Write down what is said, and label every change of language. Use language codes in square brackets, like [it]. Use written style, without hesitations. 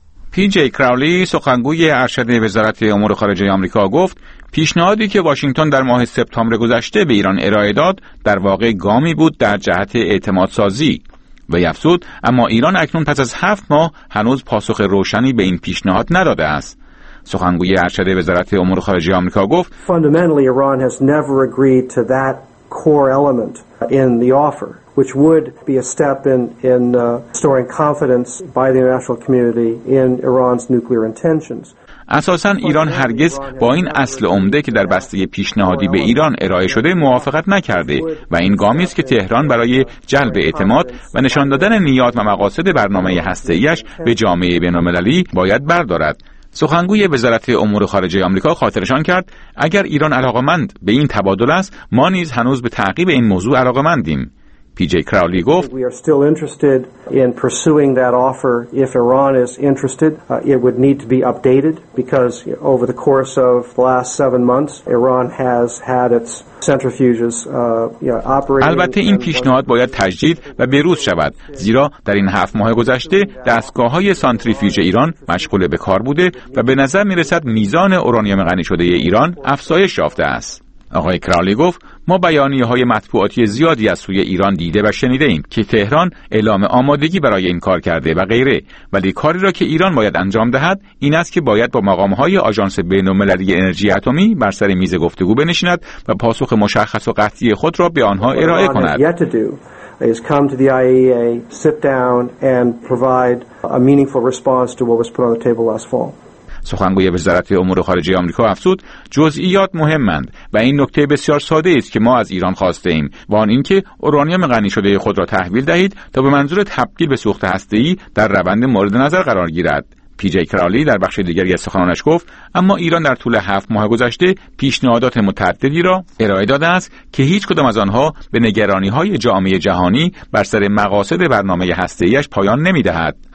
[fa] پی جی کراولی سخنگوی ارشد وزارت امور خارجه آمریکا گفت پیشنهادی که واشنگتن در ماه سپتامبر گذشته به ایران ارائه داد در واقع گامی بود در جهت اعتماد سازی و افزود اما ایران اکنون پس از 7 ماه هنوز پاسخ روشنی به این پیشنهاد نداده است. سخنگوی ارشد وزارت امور خارجه آمریکا گفت [en] Fundamentally Iran has never agreed to that core element in the offer, which would be a step in restoring confidence by the international community in Iran's nuclear intentions. [fa] اساساً ایران هرگز با این اصل عمده که در بسته پیشنهادی به ایران ارائه شده موافقت نکرده و این گامی است که تهران برای جلب اعتماد و نشان دادن نیات و مقاصد برنامه هسته‌ای‌اش به جامعه بین‌المللی باید بردارد. سخنگوی وزارت امور خارجه آمریکا خاطرشان کرد اگر ایران علاقمند به این تبادل است، ما نیز هنوز به تعقیب این موضوع علاقمندیم. پی جی کراولی گفت [en] We are still interested in pursuing that offer. If Iran is interested, it would need to be updated because over the course of the last 7 months, Iran has had its centrifuges operating. [fa] البته این پیشنهاد باید تجدید و بروز شود، زیرا در این 7 ماه گذشته دستگاه‌های سانتریفیوژ ایران مشغول به کار بوده و به نظر می‌رسد میزان اورانیوم غنی شده ایران افزایش یافته است. آقای کرالی گفت ما بیانیه‌های مطبوعاتی زیادی از سوی ایران دیده و شنیده ایم که تهران اعلام آمادگی برای این کار کرده و غیره، ولی کاری را که ایران باید انجام دهد این است که باید با مقام‌های آژانس بین‌المللی انرژی اتمی بر سر میز گفتگو بنشیند و پاسخ مشخص و قطعی خود را به آنها ارائه کند. [en] Is come to the IAEA, sit down and provide a meaningful response to what was put on the table last fall. [fa] سخنگوی وزارت امور خارجه آمریکا افزود جزئیات مهمند و این نکته بسیار ساده است که ما از ایران خواسته ایم و آن اینکه اورانیوم غنی شده خود را تحویل دهید تا به منظور تبدیل به سوخت هسته‌ای در روند مورد نظر قرار گیرد. پی جی کرالی در بخش دیگری از سخنانش گفت اما ایران در طول 7 ماه گذشته پیشنهادات متعددی را ارائه داده است که هیچ کدام از آنها به نگرانی‌های جامعه جهانی بر سر مقاصد برنامه هسته‌ای‌اش پایان نمی‌دهد.